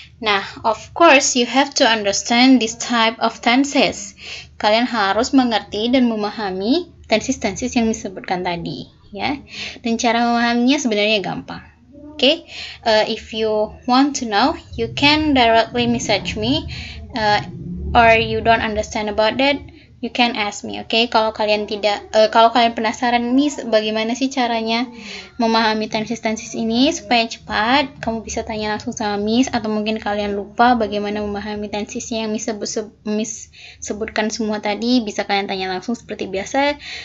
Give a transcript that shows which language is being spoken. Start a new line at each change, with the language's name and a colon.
English: Nah, of course, you have to understand this type of tenses.
Indonesian: Kalian harus mengerti dan memahami tenses-tenses yang disebutkan tadi, ya. Dan cara memahaminya sebenarnya gampang. Oke, okay?
English: If you want to know, you can directly message me, or you don't understand about that, you can ask me.
Indonesian: Oke, okay? Kalau kalian tidak, kalau kalian penasaran nih bagaimana sih caranya memahami tenses-tenses ini supaya cepat, kamu bisa tanya langsung sama Miss, atau mungkin kalian lupa bagaimana memahami tenses yang Miss sebutkan semua tadi, bisa kalian tanya langsung seperti biasa.